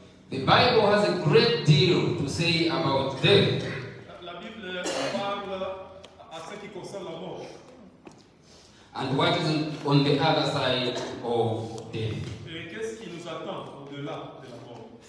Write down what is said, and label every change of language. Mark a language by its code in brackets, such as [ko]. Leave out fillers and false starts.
[en] The Bible has a great deal to say about death. [fr] La Bible parle à ce qui concerne la mort. [en] And what is on the other side of death? [fr] Et qu'est-ce qui nous attend au-delà de la mort?